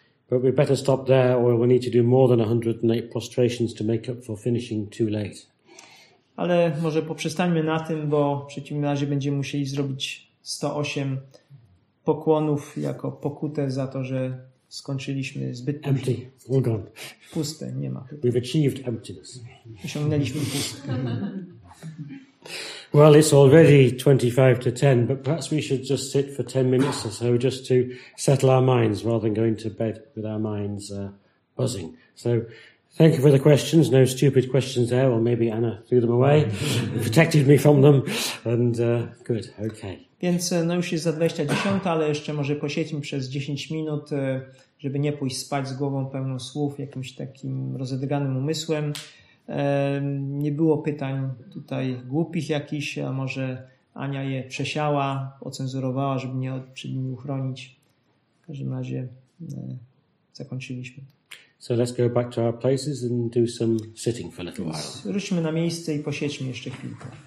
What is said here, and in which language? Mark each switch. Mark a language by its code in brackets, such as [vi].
[en] But we better stop there, or we need to do more than 108 prostrations to make up for finishing too late. [pl] Ale może poprzestańmy na tym, bo w przeciwnym razie będziemy musieli zrobić 108 pokłonów jako pokutę za to, że skończyliśmy zbyt późno. [en] Empty, all gone. [pl] Puste, nie ma. [en] We've achieved emptiness. [pl] Osiągnęliśmy pustkę. [en] Well, it's already 25 to 10, but perhaps we should just sit for 10 minutes or so just to settle our minds rather than going to bed with our minds buzzing. So thank you for the questions. No stupid questions there. Well, maybe Anna threw them away, protected me from them. And good, okay. [pl] Więc no już jest za 20:10, ale jeszcze może posiedźmy przez 10 minut, żeby nie pójść spać z głową pełną słów, jakimś takim rozedganym umysłem. Nie było pytań tutaj głupich jakichś, a może Ania je przesiała, ocenzurowała, żeby mnie przed nimi uchronić. W każdym razie zakończyliśmy. [en] So let's go back to our places and do some sitting for a little while. [pl] Wróćmy na miejsce i posiedźmy jeszcze chwilkę.